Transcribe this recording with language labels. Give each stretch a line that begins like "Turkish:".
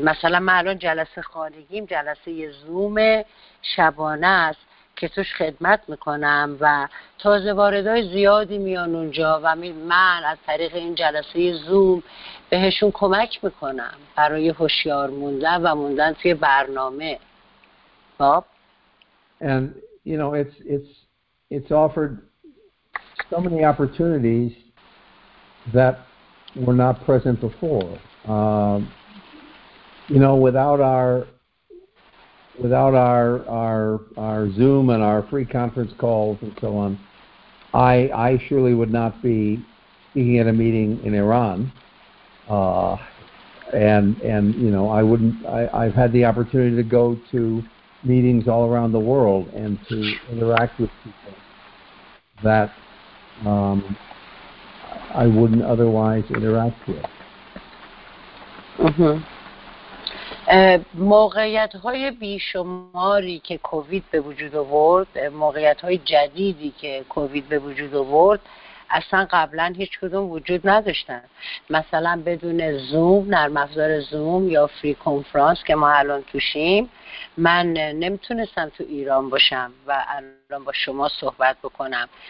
Persian: مثلا من الان جلسه خانگیم جلسه زوم شبانه است که توش خدمت میکنم و تازه واردهای زیادی میان اونجا و من از طریق این جلسه زوم بهشون کمک میکنم برای هوشیار موندن و موندن توی برنامه. باب؟
English: And you know it's offered so many opportunities that were not present before. You know, without our Zoom and our free conference calls and so on, I surely would not be speaking at a meeting in Iran. And you know, I've had the opportunity to go to meetings all around the world and to interact with people that I wouldn't otherwise interact with.
Persian: موقعیت‌های بیشماری که کووید به وجود آورد، موقعیت‌های جدیدی که کووید به وجود آورد، اصلا قبلا هیچ کدوم وجود نداشتن. مثلا بدون زوم، نرم افزار زوم یا فری کنفرانس که ما الان توشیم، من نمیتونستم تو ایران باشم و الان با شما صحبت بکنم.